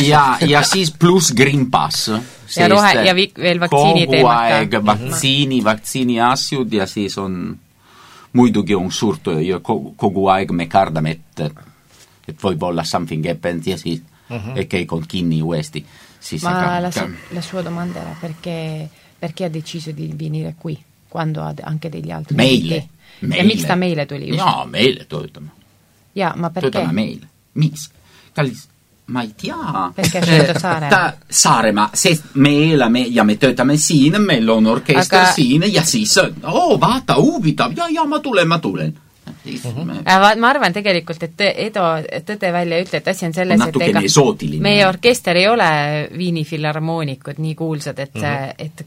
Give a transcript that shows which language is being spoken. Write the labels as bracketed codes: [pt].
[et] Ja siis plus Green Pass. Ja rohe ja veel vaktsiini teemata. Kogu aeg vaktsiini asjud ja siis on muidugi on suurt ja kogu aeg me kardame, et võib olla [en] something happened [et] ja siis keik on kinni uuesti. Siis [it] ma la sua domanda era perché ha deciso di venire qui quando ha anche degli altri [et] meile. Ja miks ta meile tuli? Jaa, meile töötama. [it] Jaa, ma perché? [et] Töötama meile. Miks? Ma ei tea. [it] Perché hai scelto Saaremaa? [et] Saaremaa, se me elame ja me töötame siin, meil on orkester aga... siin ja siis, oh vaata, huvitav, ja ma tulen, ma tulen. Mm-hmm. Ma arvan tegelikult, et Edo tõde välja ütle, et asja on selles, on natuke et meie orkester ei ole viinifilharmoonikud nii kuulsad, et, mm-hmm.